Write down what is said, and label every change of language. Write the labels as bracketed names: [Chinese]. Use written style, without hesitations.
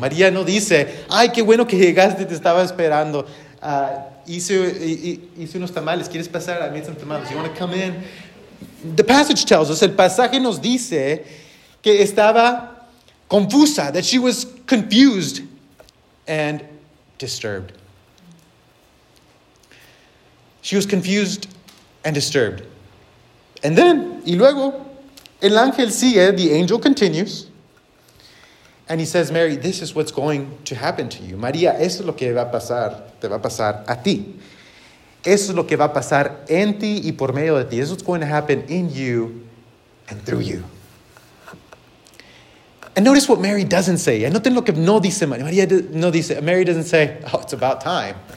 [Spanish] María no dice, ay, qué bueno que llegaste, te estaba esperando. Hice unos tamales, ¿quieres pasar? [English] I made some tamales, you want to come in? The passage tells us, [Spanish] el pasaje nos dice que estaba confusa, [English] that she was confused and disturbed. She was confused and disturbed. And then, [Spanish] y luego, el ángel sigue, [English] the angel continues, and he says, Mary, this is what's going to happen to you. [Spanish] María, eso es lo que va a pasar, te va a pasar a ti. Eso es lo que va a pasar en ti y por medio de ti. [English] This is what's going to happen in you and through you. And notice what Mary doesn't say. [Spanish] Y noten lo que no dice María. María no dice, [English] Mary doesn't say, oh, it's about time.